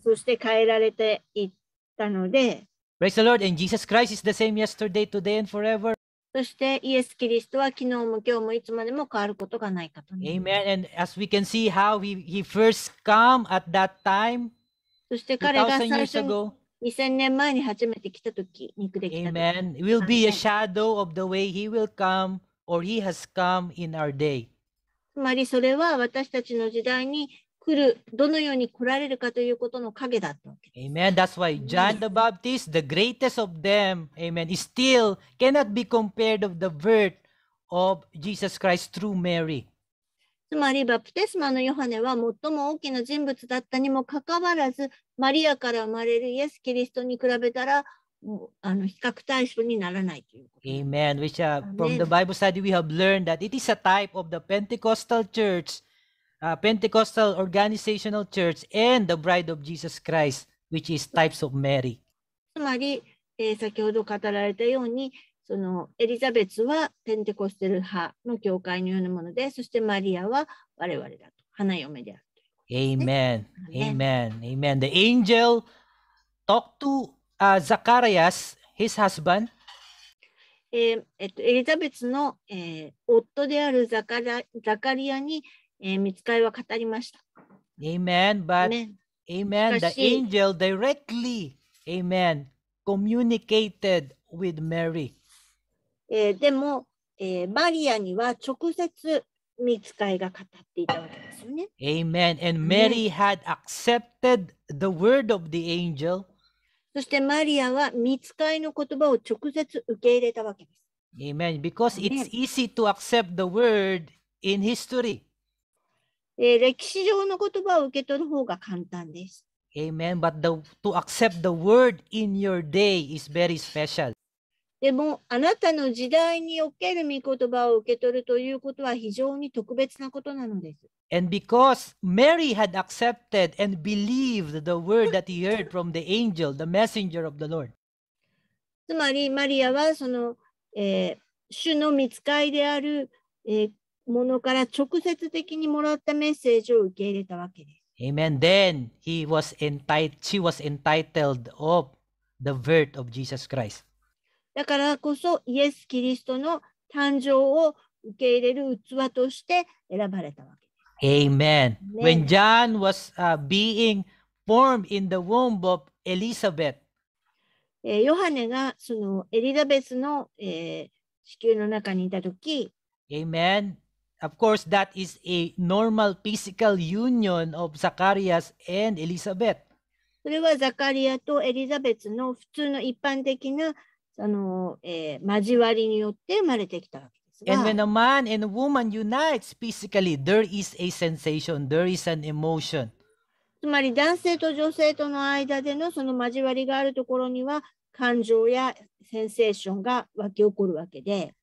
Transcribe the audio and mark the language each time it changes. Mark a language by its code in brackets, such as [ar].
[ja] そして変えられていったので、 [en] Praise the Lord, and Jesus Christ is the same yesterday, today, and forever. [ja] そして、イエス・キリストは昨日も今日もいつまでも変わることがないかと。 [en] Amen. And as we can see how he first come at that time, [ja] そして彼が最初に2000年前に初めて来た時、肉で来た時。 [en] Amen. Will be a shadow of the way he will come or he has come in our day. [ja] つまりそれは私たちの時代に来る、どのように来られるかということの影だったわけです。 [en] Amen. That's why John the Baptist, the greatest of them, amen, still cannot be compared of the birth of Jesus Christ through Mary. [ja] つまりバプテスマのヨハネは最も大きな人物だったにもかかわらず、マリアから生まれるイエス・キリストに比べたら、比較対象にならないということ。 [en] Amen. Which, from the Bible study, we have learned that it is a type of the Pentecostal church, Pentecostal organizational church, and the bride of Jesus Christ, which is types of Mary. [ja] つまり、先ほど語られたように、そのエリザベツはペンテコステル派の教会のようなもので、そしてマリアは我々だと、花嫁である。 [en] Amen. Amen. Amen. The angel talked to Zacharias, his husband. [ja] エリザベツの、夫であるザカリアに、見つかりは語りました。 [en] Amen. But Amen. The angel directly, Amen, communicated with Mary. [ja] でも、マリアには直接見つかりが語っていたわけです。 [en] Amen. And Mary had accepted the word of the angel. [ja] そしてマリアは御使いの言葉を直接受け入れたわけです。 [en] Amen. Because it's easy to accept the word in history. [ja] 歴史上の言葉を受け取る方が簡単です。 [en] Amen. But to accept the word in your day is very special. [ja] でもあなたの時代における御言葉を受け取るということは非常に特別なことなのです。 [en] And because Mary had accepted and believed the word that he heard from the angel, the messenger of the Lord. [ja] つまり、マリアはその、主の御使いである、ものから直接的にもらったメッセージを受け入れたわけです。 [en] Amen. Then she was entitled of the birth of Jesus Christ. [ja] だからこそ、イエス・キリストの誕生を受け入れる器として選ばれたわけです。 [en] Amen. When John was being formed in the womb of Elizabeth, [ja] ヨハネがそのエリザベスの、子宮の中にいた時、 [en] Amen. Of course, that is a normal physical union of Zacharias and Elizabeth. [ja] それはザカリアとエリザベスの普通の一般的な交わりによって生まれてきたわけです。 [en] And when a man and a woman unites physically, there is a sensation, there is an emotion. [ja] つまり男性と女性との間でのその交わりがあるところには感情やセンセーションが湧き起こるわけで。